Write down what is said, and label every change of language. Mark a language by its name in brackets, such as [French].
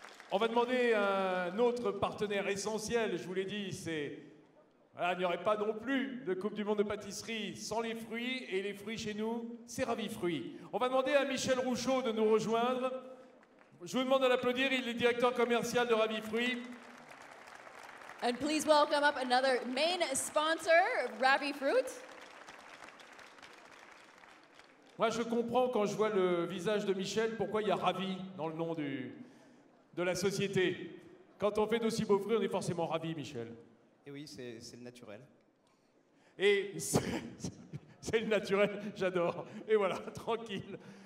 [French] On va demander à un autre partenaire essentiel, je vous l'ai dit, c'est... voilà, il n'y aurait pas non plus de Coupe du Monde de pâtisserie sans les fruits, et les fruits chez nous, c'est Ravi Fruits. On va demander à Michel Rouchaud de nous rejoindre. Je vous demande de l'applaudir, il est directeur commercial de Ravi Fruits. [English] And please welcome up another main sponsor, Ravi Fruits. [French] Moi, je comprends quand je vois le visage de Michel, pourquoi il y a Ravi dans le nom de la société. Quand on fait d'aussi beaux fruits, on est forcément ravi, Michel. Et oui, c'est le naturel. Et c'est le naturel, j'adore. Et voilà, tranquille.